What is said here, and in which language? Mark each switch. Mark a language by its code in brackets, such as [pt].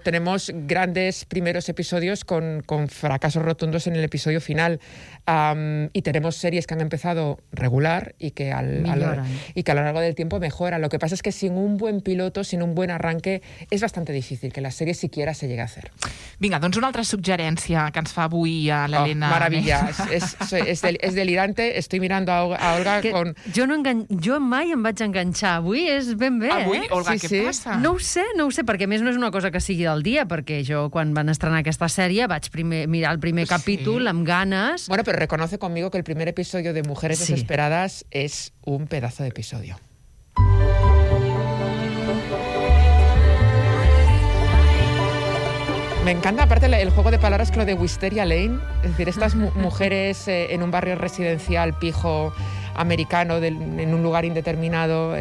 [es] Tenemos grandes primeros episodios con fracasos rotundos en el episodio final, y tenemos series que han empezado regular y que a lo largo del tiempo mejoran. Lo que pasa es que sin un buen piloto, sin un buen arranque, es bastante difícil que la serie siquiera se llegue a hacer. [ca] Vinga, doncs una altra suggerència que ens fa avui a l'Helena. [es] Oh, maravilla, és delirante. Estoy mirando a Olga que con... [ca] Jo mai em vaig enganxar. Avui és ben bé, avui, eh? Olga, sí, què passa? No ho sé, perquè a més no és una cosa que sigui del dia, perquè jo quan van estrenar aquesta sèrie vaig mirar el primer capítol amb ganes. [es] Bueno, pero reconoce conmigo que el primer episodio de Mujeres Desesperadas es un pedazo de episodio. Me encanta, aparte, el juego de palabras con lo de Wisteria Lane. Es decir, estas mujeres en un barrio residencial pijo americano, en un lugar indeterminado.